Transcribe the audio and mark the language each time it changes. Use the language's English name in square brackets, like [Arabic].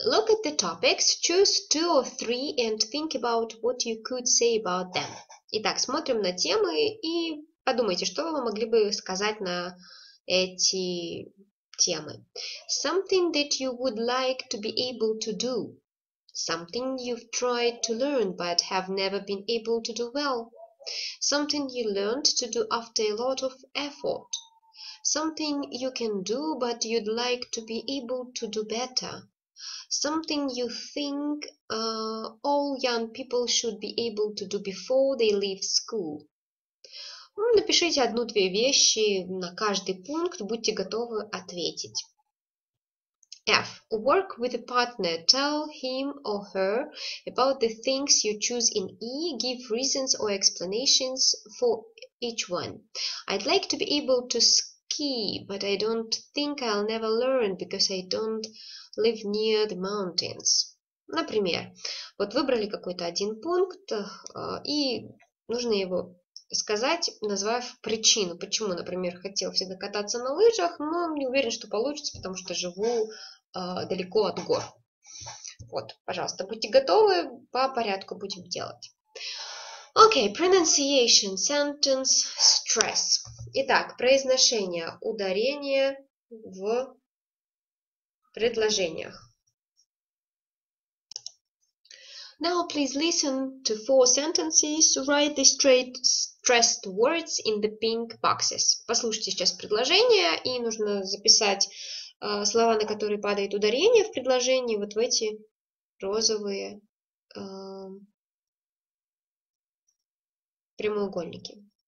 [English] Look at the topics, choose two or three and think about what you could say about them. [Russian] Итак, смотрим на темы и подумайте, что вы могли бы сказать на эти темы. [English] Something that you would like to be able to do. Something you've tried to learn but have never been able to do well. Something you learned to do after a lot of effort. Something you can do but you'd like to be able to do better. Something you think all young people should be able to do before they leave school. [Russian] Напишите одну-две вещи на каждый пункт, будьте готовы ответить. [English] F. Work with a partner. Tell him or her about the things you choose in E. Give reasons or explanations for each one. I'd like to be able to ski, but I don't think I'll never learn because I don't live near the mountains. [Russian] Например, вот выбрали какой-то один пункт, и нужно его сказать, назвав причину, почему, например, хотел всегда кататься на лыжах, но не уверен, что получится, потому что живу далеко от гор. Вот, пожалуйста, будьте готовы, по порядку будем делать. [English] Okay, pronunciation, sentence, stress. [Russian] Итак, произношение, ударение в предложениях. [English] Now please listen to four sentences. Write the straight stressed words in the pink boxes. [Russian] Послушайте сейчас предложение и нужно записать слова, на которые падает ударение в предложении, вот в эти розовые прямоугольники.